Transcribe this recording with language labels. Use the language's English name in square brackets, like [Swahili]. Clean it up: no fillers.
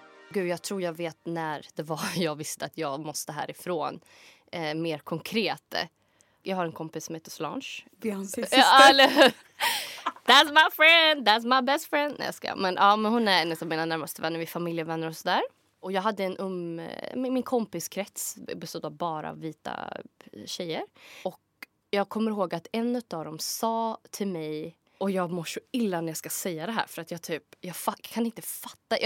[Swedish] Gud, jag tror jag vet när det var jag visste att jag måste härifrån. Mer konkret. Jag har en kompis som heter Solange. [English] Beyoncé's sister. That's my friend, that's my best friend. [Swedish] Nej, ska jag. Men, ja, men hon är en av mina närmaste vänner, vi är familjevänner och sådär. Och jag hade en min kompiskrets bestod av bara vita tjejer. Och jag kommer ihåg att en av dem sa till mig... Och jag mår så illa när jag ska säga det här. För att jag typ, jag kan inte fatta.